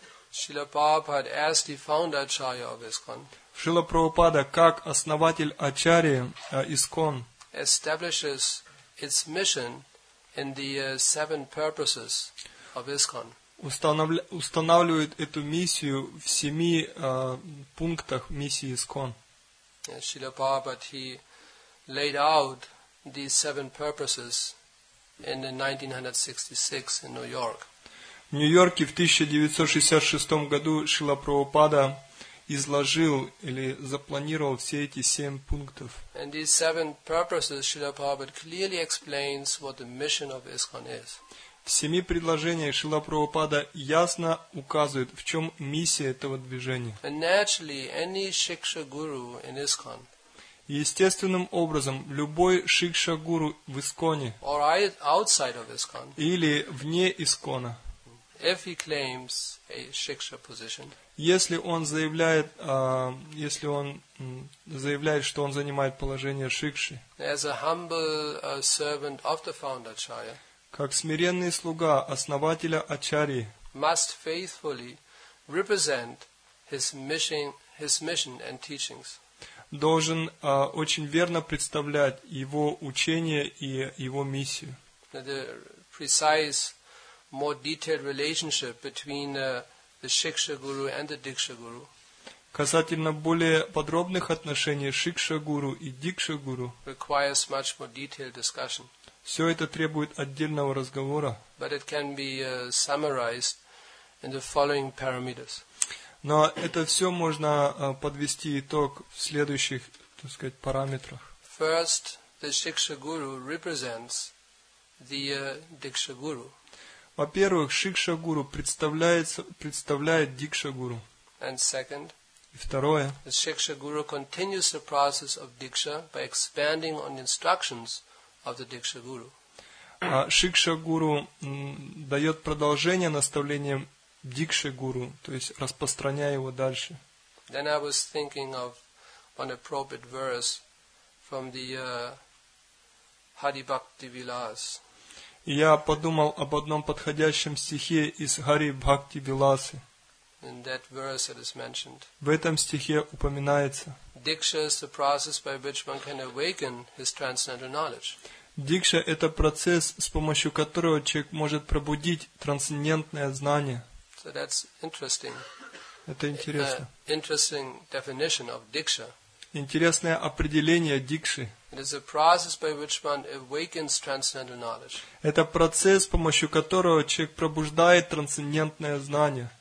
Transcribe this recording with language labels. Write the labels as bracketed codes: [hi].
[en] Srila Prabhupada asked the founder Acharya of ISKCON. [ru] Шрила Прабхупада, как основатель Ачари ИСКОН, [en] establishes its mission in the seven purposes of ISKCON. [ru] Устанавливает эту миссию в семи пунктах миссии ИСКОН. [en] Шрила Прабхупада, he laid out these seven purposes in 1966 in New York. [ru] В Нью-Йорке в 1966 году Шрила Прабхупада изложил или запланировал все эти семь пунктов. [en] And these seven purposes, Srila Prabhupada clearly explains what the mission of ISKCON is. [ru] В семи предложениях Шрила Прабхупада ясно указывает, в чем миссия этого движения. [en] And naturally, any Shiksha guru in ISKCON, [ru] естественным образом, любой Шикша гуру в ИСКОНе, [en] or outside of ISKCON, [ru] или вне ИСКОНа, [en] if he claims a Shiksha position, [ru] если он заявляет, что он занимает положение шикши, [en] as a humble servant of the founder Acharya, [ru] как смиренный слуга основателя Ачарьи, [en] must faithfully represent his mission and teachings, [ru] должен очень верно представлять его учение и его миссию. [en] The precise, more detailed relationship between the Shiksha Guru and the Diksha Guru. [ru] Касательно более подробных отношений Шикша Гуру и Дикша Гуру. [en] Requires much more detailed discussion. [ru] Все это требует отдельного разговора. [en] But it can be summarized in the following parameters. [ru] Но это все можно подвести итог в следующих, так сказать, параметрах. [en] First, the Shiksha Guru represents the Diksha Guru. [ru] Во-первых, Шикша Гуру представляет Дикша Гуру. [en] And second, [ru] и второе, [en] the Shiksha Guru continues the process of Diksha by expanding on the instructions of the Diksha Guru. [ru] Шикша Гуру дает продолжение наставлениям Дикша Гуру, то есть распространяя его дальше. [en] Then I was thinking of an appropriate verse from the Hari Bhakti Vilas. [ru] Я подумал об одном подходящем стихе из Хари Бхакти Виласы. В этом стихе упоминается. [en] Дикша is the process by which one can awaken his transcendental knowledge. [ru] Дикша – это процесс, с помощью которого человек может пробудить трансцендентное знание. [en] So that's interesting. [ru] Это интересно. [en] Interesting definition of Diksha. [ru] Интересное определение дикши. [en] It is a process by which one awakens transcendental knowledge. [ru] Это процесс, с помощью которого человек пробуждает трансцендентное знание.